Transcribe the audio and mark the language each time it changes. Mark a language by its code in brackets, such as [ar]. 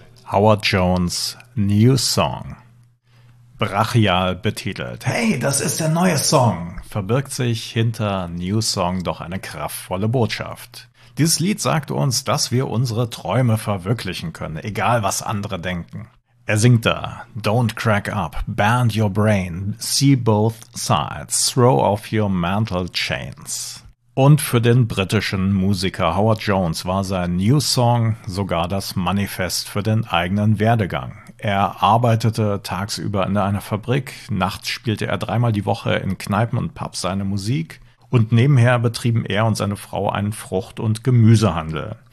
[de] Howard Jones, New Song. Brachial betitelt. Hey, das ist der neue Song! Verbirgt sich hinter New Song doch eine kraftvolle Botschaft. Dieses Lied sagt uns, dass wir unsere Träume verwirklichen können, egal was andere denken. Er singt da, [en] don't crack up, bend your brain, see both sides, throw off your mantle chains. [de] Und für den britischen Musiker Howard Jones war sein New Song sogar das Manifest für den eigenen Werdegang. Er arbeitete tagsüber in einer Fabrik, nachts spielte er dreimal die Woche in Kneipen und Pubs seine Musik und nebenher betrieben er und seine Frau einen Frucht- und Gemüsehandel.